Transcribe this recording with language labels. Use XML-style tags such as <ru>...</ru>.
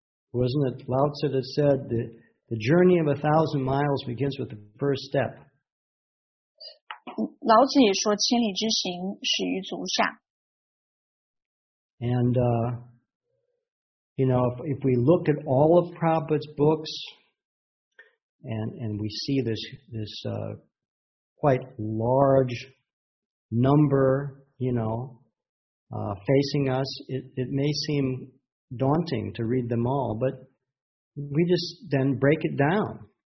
<en>Wasn't it Lao Tzu that said the journey of 1,000 miles begins with the first step?</en> <zh>老子也说千里之行始于足下。</zh> <en>And you know, if we look at all of Prabhupada's books and we see this quite large number, you know, facing us, it may seem daunting to read them all, but we just then break it down.</en>